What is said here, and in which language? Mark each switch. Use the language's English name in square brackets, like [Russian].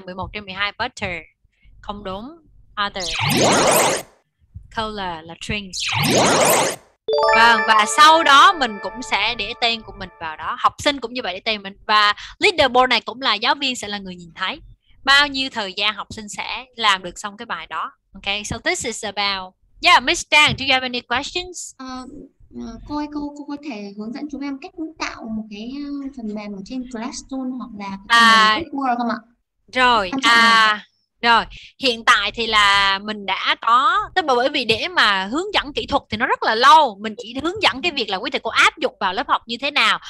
[English] 11/12 butter [Vietnamese] không đúng. [English] Other color là drinks. [Vietnamese] Vâng, và sau đó mình cũng sẽ để tên của mình vào đó, học sinh cũng như vậy để tên mình, và leaderboard này cũng là giáo viên sẽ là người nhìn thấy bao nhiêu thời gian học sinh sẽ làm được xong cái bài đó. [English] Ok, so this is about. Yeah, Miss Trang, do you have any questions? [Vietnamese] Cô có thể hướng dẫn chúng em cách tạo một cái phần mềm ở trên Classroom hoặc là Word không ạ? Rồi, rồi hiện tại thì là mình đã có, tức là bởi vì để mà hướng dẫn kỹ thuật thì nó rất là lâu, mình chỉ hướng dẫn cái việc là quý thầy cô áp dụng vào lớp học như thế nào.